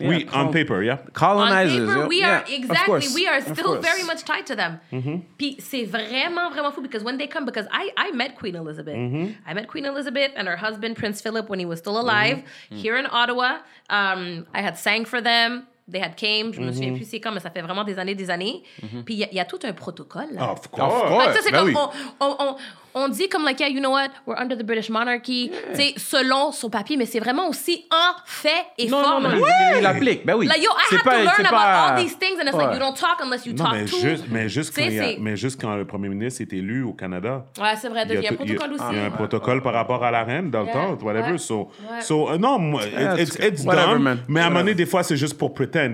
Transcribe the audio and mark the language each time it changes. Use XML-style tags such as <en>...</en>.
<en>Oui, on paper, yeah. Colonizers. On paper, we are still very much tied to them. Mm-hmm.</en> <fr>Puis c'est vraiment, vraiment fou,</fr> <en>because when they come, because I met Queen Elizabeth. Mm-hmm. I met Queen Elizabeth and her husband, Prince Philip, when he was still alive, here in Ottawa. I had sang for them. They had came.</en> <fr>Je me souviens plus c'est quand, mais ça fait vraiment des années. Puis il y a tout un protocole. Là.</fr> <en>Of course.</en> <fr>Ça, c'est comme on dit comme,</fr> <en>like, yeah, you know what, we're under the British monarchy. Yeah.</en> <fr>C'est selon son papier, mais c'est vraiment aussi en fait et non, forme. Non, il l'applique. Ben oui.</fr> <en>Like, yo, I have to learn about all these things, and it's like, you don't talk unless you talk</en> <fr>mais juste quand le premier ministre est élu au Canada. Ouais, c'est vrai. Il y a un protocole aussi. Il y a un protocole par rapport à la reine dans le temps, whatever. So, non,</fr> <en>it's done.</en> <fr>Mais à un moment donné, des fois, c'est juste pour prétendre.</fr>